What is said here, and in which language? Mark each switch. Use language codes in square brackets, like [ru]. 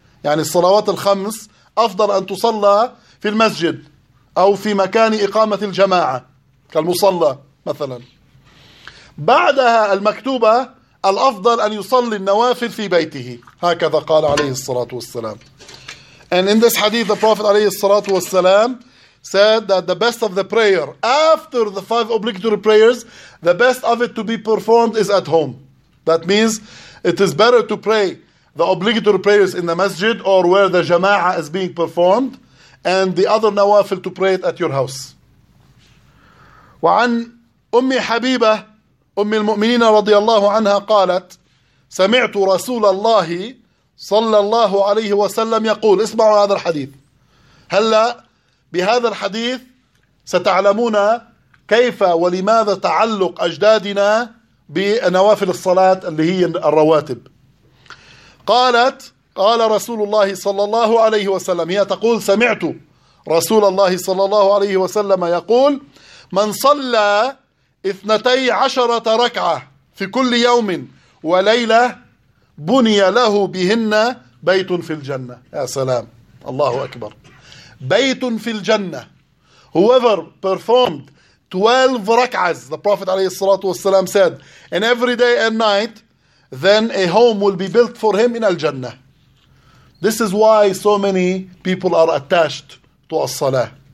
[ar] يعني الصلوات الخمس أفضل أن تصلى في المسجد أو في مكان إقامة الجماعة كالمصلى مثلا. بعدها المكتوبة الأفضل أن يصلي النوافل في بيته, هكذا قال عليه الصلاة والسلام. [en] And in this hadith the Prophet [ar] عليه الصلاة والسلام [en] said that the best of the prayer after the 5 obligatory prayers, the best of it to be performed is at home. That means it is better to pray the obligatory prayers in the masjid or where the jama'ah is being performed, and the other nawafil to pray it at your house. [ar] وعن أم حبيبة أم المؤمنين رضي الله عنها قالت سمعت رسول الله صلى الله عليه وسلم يقول. اسمعوا هذا الحديث. هلا بهذا الحديث ستعلمون كيف ولماذا تعلق أجدادنا بنوافل الصلاة اللي هي الرواتب. قالت قال رسول الله صلى الله عليه وسلم، هي تقول سمعت رسول الله صلى الله عليه وسلم يقول من صلى 12 ركعة في كل يوم وليلة بني له بهن بيت في الجنة. يا سلام، الله أكبر. بيت في الجنة. [en] Whoever performed 12 rak'ahs, the Prophet [ar] عليه الصلاة والسلام [en] said, in every day and night, then a home will be built for him in al-Jannah. This is why so many people are attached to as-salah.